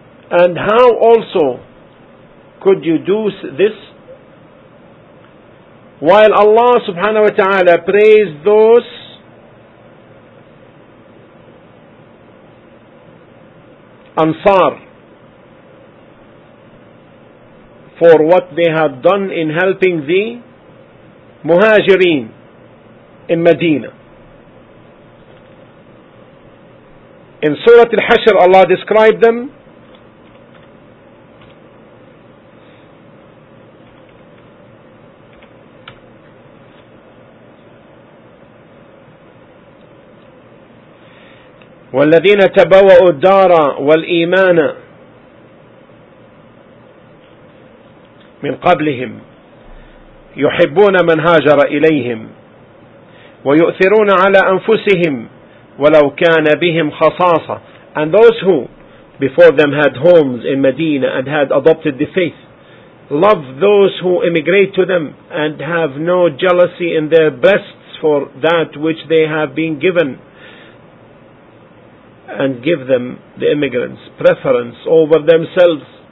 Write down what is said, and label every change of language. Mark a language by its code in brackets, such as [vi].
[en] And how also could you do this while Allah subhanahu wa ta'ala praised those Ansar for what they had done in helping the Muhajireen in Medina? In Surah Al-Hashr, Allah described them [ar] والذين تبوأوا الدار والإيمان من قبلهم يحبون من هاجر إليهم ويؤثرون على أنفسهم ولو كان بهم خصاصة. [en] And those who before them had homes in Medina and had adopted the faith, love those who immigrate to them and have no jealousy in their breasts for that which they have been given, and give them, the immigrants, preference over themselves.